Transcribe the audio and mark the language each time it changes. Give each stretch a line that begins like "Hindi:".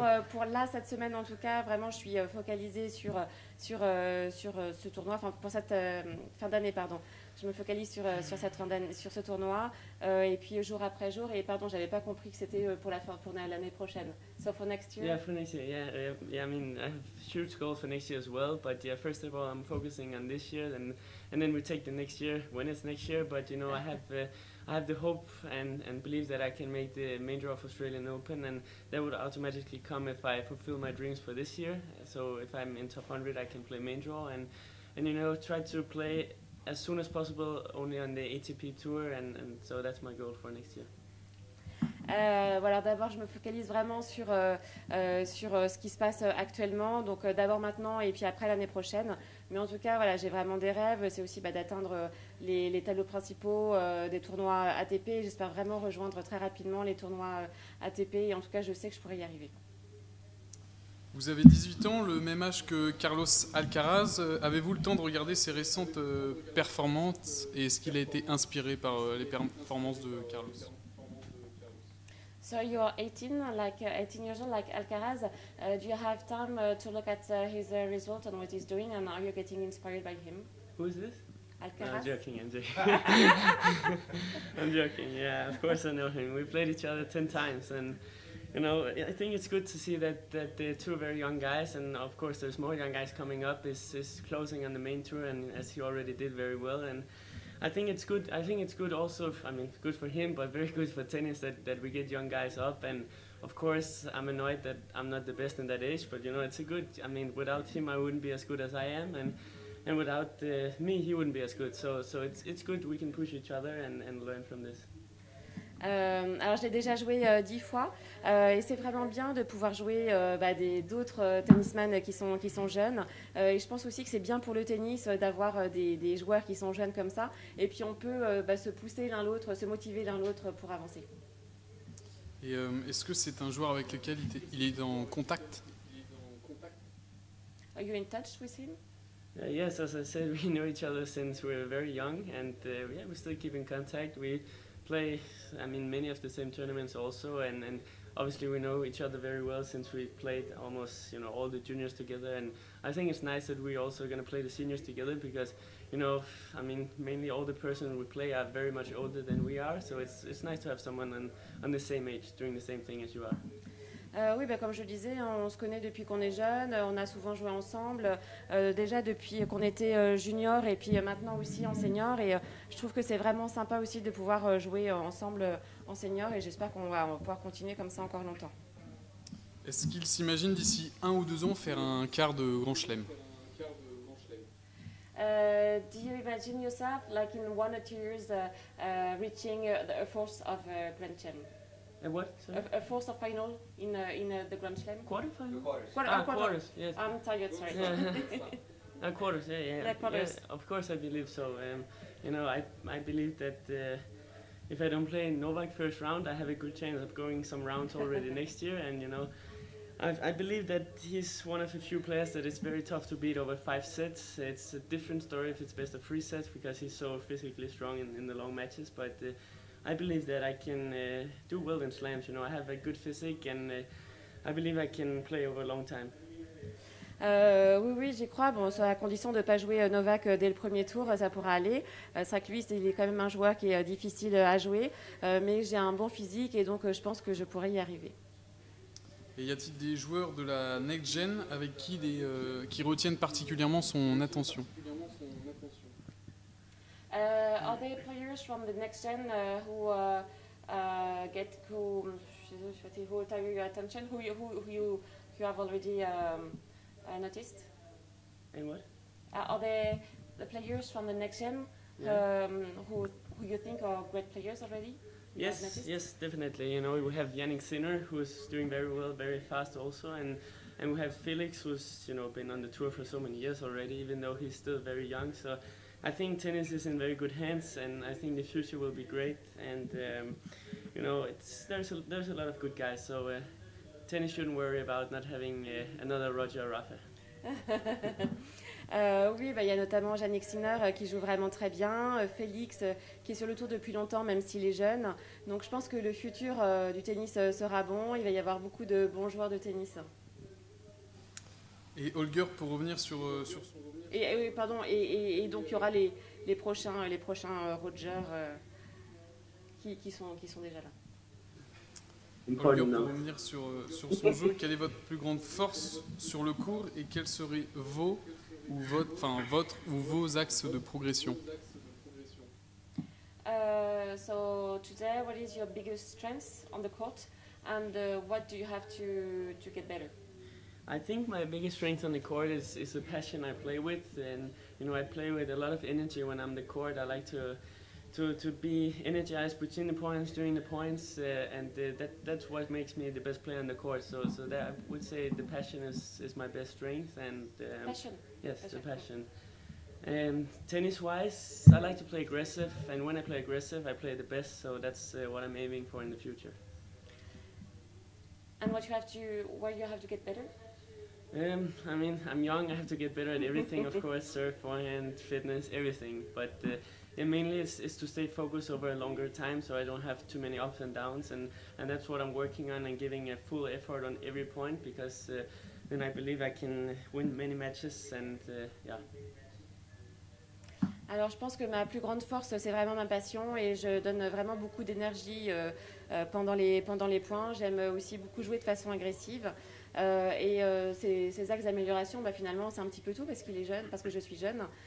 French: Pour là cette semaine en tout cas, vraiment je suis focalisée sur ce tournoi, enfin pour cette fin d'année pardon. Je me focalise sur ce tournoi et puis jour après jour et pardon, j'avais pas compris que c'était pour l'année prochaine.
English: So for next year. Yeah, for next year. Yeah. I mean, I have huge goals for next year as well. But yeah, first of all, I'm focusing on this year, and then we take the next year when it's next year. But you know, I have the hope and believe that I can make the main draw of Australian Open, and that would automatically come if I fulfill my dreams for this year. So if I'm in top 100, I can play main draw and you know try to play as soon as possible only on the ATP tour, and so that's my goal for next year.
French: Voilà, d'abord je me focalise vraiment sur ce qui se passe actuellement, donc d'abord maintenant et puis après l'année prochaine, mais en tout cas voilà, j'ai vraiment des rêves, c'est aussi d'atteindre les tableaux principaux des tournois ATP, j'espère vraiment rejoindre très rapidement les tournois ATP et en tout cas je sais que je pourrai y arriver. Vous avez 18 ans, le même âge que Carlos Alcaraz, avez-vous le temps de regarder ses récentes performances et est-ce qu'il a été inspiré par les performances de Carlos?
English: So you're 18, like 18 years old, like Alcaraz. Do you have time to look at his result and what he's doing, and are you getting inspired by him? Who is this? Alcaraz. I'm joking. I'm joking. Yeah, of course I know him. We played each other 10 times, and you know, I think it's good to see that the two very young guys, and of course there's more young guys coming up, is closing on the main tour, and as he already did very well, and I think it's good also, good for him, but very good for tennis that we get young guys up. And of course, I'm annoyed that I'm not the best in that age, but you know, it's a good, without him, I wouldn't be as good as I am. And without me, he wouldn't be as good. So it's good we can push each other and learn from this.
French: Alors, je l'ai déjà joué 10 fois et c'est vraiment bien de pouvoir jouer d'autres tennismen qui sont jeunes. Et je pense aussi que c'est bien pour le tennis d'avoir des joueurs qui sont jeunes comme ça. Et puis, on peut se pousser l'un l'autre, se motiver l'un l'autre pour avancer. Et est-ce que c'est un joueur avec lequel il est en contact?
English: Are you in touch with him? Yes, as I said, we know each other since we were very young and we still keep in contact. We play many of the same tournaments also, and obviously we know each other very well since we played almost all the juniors together, and I think it's nice that we're also going to play the seniors together because mainly all the person we play are very much older than we are, so it's nice to have someone on the same age doing the same thing as you are.
French: Comme je le disais, on se connaît depuis qu'on est jeune, on a souvent joué ensemble, déjà depuis qu'on était junior et puis maintenant aussi en senior. Et je trouve que c'est vraiment sympa aussi de pouvoir jouer ensemble en senior et j'espère qu'on va pouvoir continuer comme ça encore longtemps. Est-ce qu'il s'imagine d'ici un ou deux ans faire un quart de Grand Chelem?
English: Do you imagine yourself like in one or two years reaching the fourth of Grand Chelem? A what? Sorry? A fourth of final in the Grand Slam. Quarters. Quarters. Quarters. Yes. I'm tired. Sorry. Yeah. quarters. Yeah, yeah. The quarters. Yeah, of course, I believe so. I believe that if I don't play Novak first round, I have a good chance of going some rounds already next year. And you know, I believe that he's one of a few players that it's very tough to beat over 5 sets. It's a different story if it's best of 3 sets because he's so physically strong in the long matches, but. I believe that I can do well in slams. You know, I have a good physique and I believe I can play over a long time.
French: Oui, j'y crois. Bon, sur la condition de ne pas jouer Novak dès le premier tour, ça pourra aller. C'est vrai que lui, il est quand même un joueur qui est difficile à jouer, mais j'ai un bon physique et donc je pense que je pourrais y arriver. Et y a-t-il des joueurs de la next gen avec qui qui retiennent particulièrement son attention?
English: Are there players from the next gen who attire your attention? Who you have already noticed? And what? Are there the players from the next gen who you think are great players already? Yes, definitely. You know, we have Yannick Sinner, who is doing very well, very fast also, and we have Felix, who's, you know, been on the tour for so many years already, even though he's still very young. So I think tennis is in very good hands, and I think the future will be great. And you know, there's a lot of good guys, so tennis shouldn't worry about not having another Roger or Rafa.
French: Il y a notamment Yannick Sinner qui joue vraiment très bien, Félix qui est sur le tour depuis longtemps même s'il est jeune. Donc je pense que le futur du tennis sera bon, il va y avoir beaucoup de bons joueurs de tennis. Et Holger, pour revenir sur donc il y aura les prochains Roger qui sont déjà là. Pour revenir sur son jeu, quelle est votre plus grande force sur le court et quels seraient vos axes de progression?
English: So today, what is your biggest strength on the court and what do you have to get better? I think my biggest strength on the court is the passion I play with, and you know, I play with a lot of energy when I'm on the court. I like to be energized between the points, during the points, and that's what makes me the best player on the court. So that I would say the passion is my best strength. And passion. Yes, okay. The passion. And tennis-wise, I like to play aggressive, and when I play aggressive, I play the best. So that's what I'm aiming for in the future. And what you have to get better? I mean, I'm young. I have to get better at everything, of course: serve, forehand, fitness, everything. But and mainly it's to stay focused over a longer time so I don't have too many ups and downs, and that's what I'm working on and giving a full effort on every point, because then I believe I can win many matches and yeah.
French: Alors je pense que ma plus grande force, c'est vraiment ma passion, et je donne vraiment beaucoup d'énergie pendant les points. J'aime aussi beaucoup jouer de façon agressive. Ces axes d'amélioration, bah, finalement c'est un petit peu tout parce que je suis jeune.